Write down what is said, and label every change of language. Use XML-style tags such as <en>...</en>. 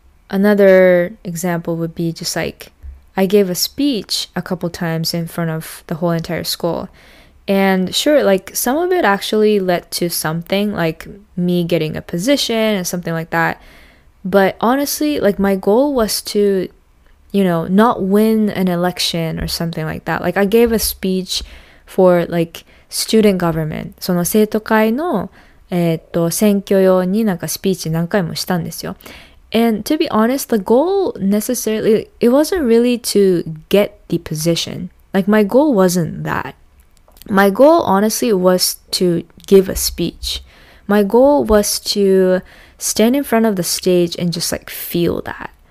<en>Another example would be just like, I gave a speech a couple times in front of the whole entire school. And sure, like some of it actually led to something, like me getting a position and something like that. But honestly, like my goal was to... You know, not win an election or something like that. Like, I gave a speech for, like, student government.</en> <ja>その生徒会の、選挙用になんかスピーチ何回もしたんですよ。</ja> <en>And to be honest, the goal necessarily, it wasn't really to get the position. Like, my goal wasn't that. My goal, honestly, was to give a speech. My goal was to stand in front of the stage and just, like, feel that.</en>